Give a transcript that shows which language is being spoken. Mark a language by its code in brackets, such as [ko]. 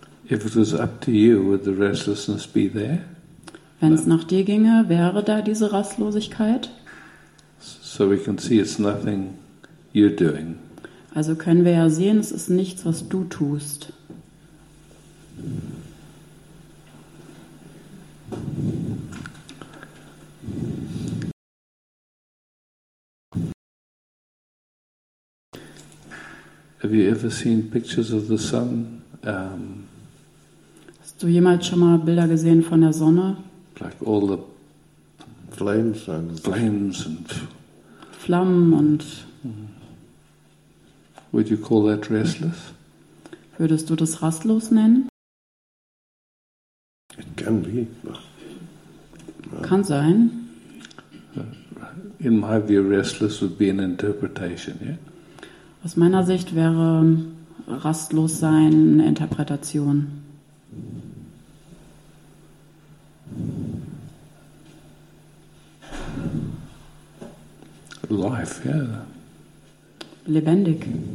[en] If it was up to you, would the restlessness be there? [de] Wenn es nach dir ginge, wäre da diese Rastlosigkeit? [en] So we can see it's nothing you're doing. [de] Also können wir ja sehen, es ist nichts, was du tust. [en] Have you ever seen pictures of the sun? [de] Hast du jemals schon mal Bilder gesehen von der Sonne? [en] Like all the flames and [de] Flammen und. [en] Would you call that restless? [de] Würdest du das rastlos nennen? [en] It can be. [de] Kann sein. [en] In my view, restless would be an interpretation, yeah? [de] Aus meiner Sicht wäre rastlos sein eine Interpretation. [en] Life, yeah. [de] Lebendig.